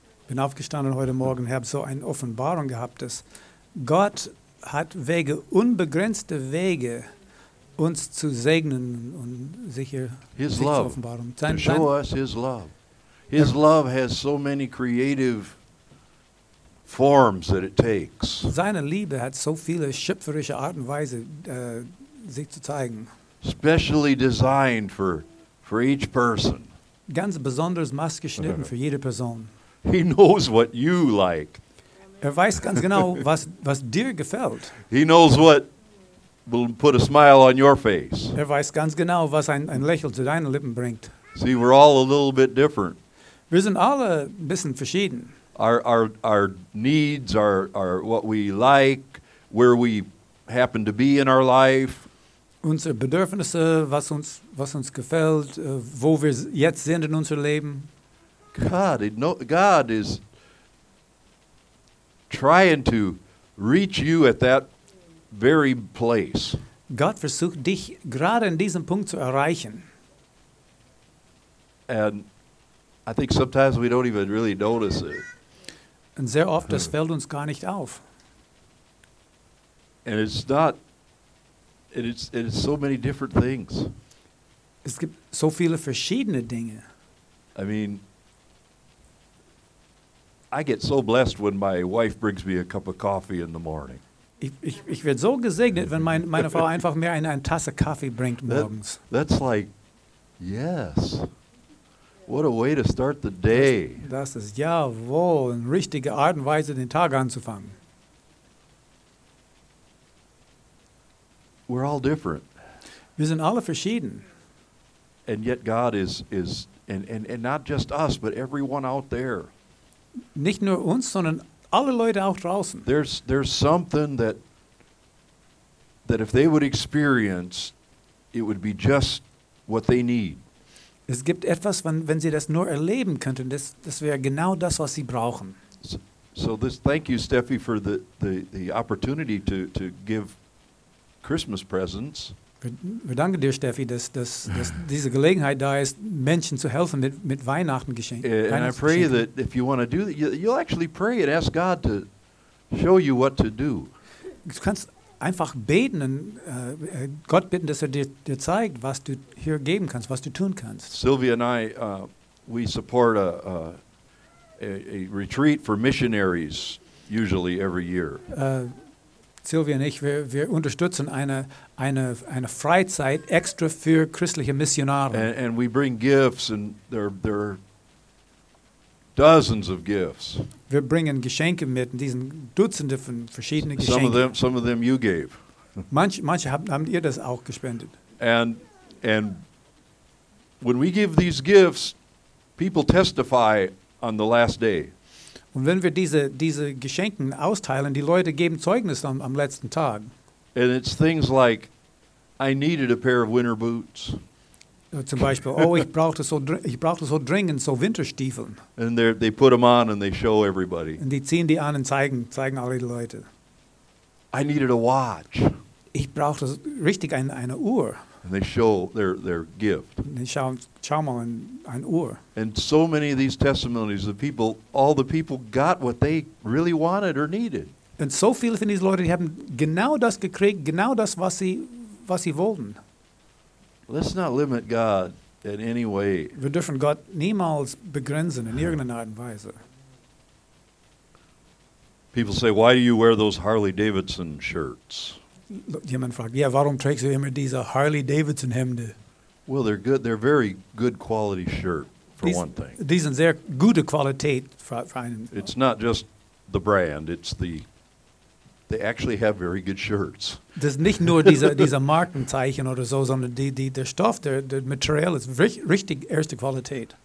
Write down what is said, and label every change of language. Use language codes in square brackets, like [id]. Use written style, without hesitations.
[de] Bin aufgestanden heute Morgen, habe so eine Offenbarung gehabt, dass Gott hat Wege, unbegrenzte Wege, uns zu segnen und sich zu offenbaren. Sein, [en] to show us his love. His love has so many creative forms that it takes. [de] Seine Liebe hat so viele schöpferische Art und Weise, sich zu zeigen. [en] Specially designed for each person. [de] Ganz besonders maßgeschnitten für jede Person. [en] He knows what you like. [de] Er weiß ganz genau, was dir gefällt. [en] He knows what will put a smile on your face. [de] Er weiß ganz genau, was ein Lächeln zu deinen Lippen bringt. [en] See, we're all a little bit different. [de] Wir sind alle ein bisschen verschieden. [en] Our needs are what we like, where we happen to be in our life. [de] Unsere Bedürfnisse, was uns gefällt, wo wir jetzt sind in unserem Leben. [en] God is trying to reach you at that very place. [de] Gott versucht dich gerade in diesem Punkt zu erreichen. [en] And I think sometimes we don't even really notice it. [de] Und sehr oft, das fällt uns gar nicht auf. [en] And it's not, it is so many different things. [de] Es gibt so viele verschiedene Dinge. [en] I mean, I get so blessed when my wife brings me a cup of coffee in the morning. [de] Ich werde so gesegnet, wenn meine Frau einfach mir eine Tasse Kaffee bringt morgens. [en] That's like, yes. What a way to start the day. [de] Das ist jawohl, eine richtige Art und Weise, den Tag anzufangen. [en] We're all different. [de] Wir sind alle verschieden. [en] And yet God is, and not just us, but everyone out there. [de] Nicht nur uns, sondern alle Leute auch draußen. [en] There's something that if they would experience, it would be just what they need. [de] Es gibt etwas, wenn sie das nur erleben könnten, das wäre genau das, was sie brauchen. [en] So this, thank you, Steffi, for the opportunity to give Christmas presents. [de] Wir danken dir, Steffi, dass diese Gelegenheit da ist, Menschen zu helfen mit Weihnachtengeschenken. [en] And I pray that if you want to do that, you'll actually pray and ask God to show you what to do. [de] Du kannst einfach beten und Gott bitten, dass dir zeigt, was du hier geben kannst, was du tun kannst. [en] Sylvia and I, we support a retreat for missionaries usually every year. [de] Sylvia und ich, wir unterstützen eine Freizeit extra für christliche Missionare. [en] And we bring gifts, and there are dozens of gifts. [de] Wir bringen Geschenke mit, diesen Dutzende von verschiedenen Geschenken. [en] Some of them you gave. [de] Manche haben ihr das auch gespendet. [en] And when we give these gifts, people testify on the last day. [de] Und wenn wir diese Geschenken austeilen, die Leute geben Zeugnis am letzten Tag. [en] And it's things like, I needed a pair of winter boots. [de] Zum Beispiel, ich brauchte so dringend so Winterstiefeln. [en] And they put them on and they show everybody. [de] Und die ziehen die an und zeigen alle die Leute. [en] I needed a watch. [de] Ich brauchte richtig eine Uhr. [en] And they show their gift. [de] Schau mal ein Uhr. [en] And so many of these testimonies, all the people got what they really wanted or needed. [de] Und so viele von diesen Leuten, die haben genau das gekriegt, genau das, was sie wollten. [en] Let's not limit God in any way. [de] Wir dürfen Gott niemals begrenzen in irgendeiner Art und Weise. [en] People say, why do you wear those Harley-Davidson shirts? [de] Jemand fragt, ja, warum trägst du immer diese Harley-Davidson Hemde? [en] Well, they're good. They're very good quality shirt, for one thing. [de] Die sind sehr gute Qualität für einen. [en] It's not just the brand, it's the... They actually have very good shirts. [de] Das ist nicht nur diese Markenzeichen oder so, sondern der Stoff, der Material ist richtig erste Qualität.